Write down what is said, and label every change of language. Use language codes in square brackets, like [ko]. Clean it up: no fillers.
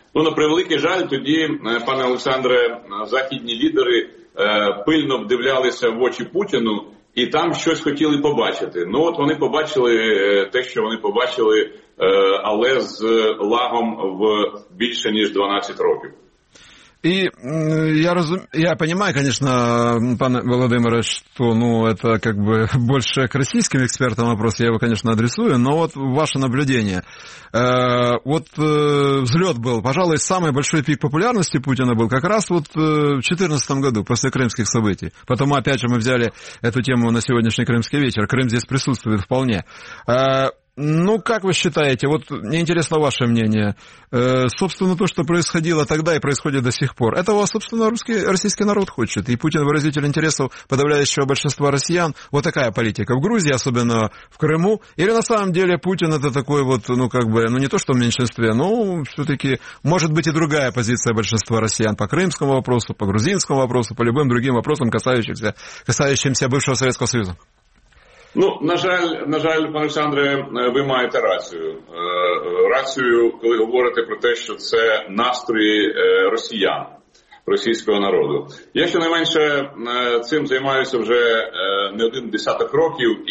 [uk] На превеликий жаль, тоді, пане Олександре, західні лідери пильно вдивлялися в очі Путіну і там щось хотіли побачити. Вони побачили те, що вони побачили, але з лагом в більше ніж 12 років. [ru] И я понимаю, конечно, пане Володимире, что это как бы больше к российским экспертам вопрос, я его, конечно, адресую, но ваше наблюдение. Взлет был, пожалуй, самый большой пик популярности Путина был как раз в 2014 году, после крымских событий. Потом, опять же, мы взяли эту тему на сегодняшний крымский вечер. Крым здесь присутствует вполне. Как вы считаете, мне интересно ваше мнение, собственно, то, что происходило тогда и происходит до сих пор, этого, собственно, российский народ хочет, и Путин выразитель интересов подавляющего большинства россиян, такая политика в Грузии, особенно в Крыму, или на самом деле Путин это такой не то, что в меньшинстве, но все-таки может быть и другая позиция большинства россиян по крымскому вопросу, по грузинскому вопросу, по любым другим вопросам, касающимся бывшего Советского Союза? [uk] На жаль, пане Олександре, ви маєте рацію. Рацію, коли говорите про те, що це настрої росіян, російського народу. Я щонайменше цим займаюся вже не один десяток років.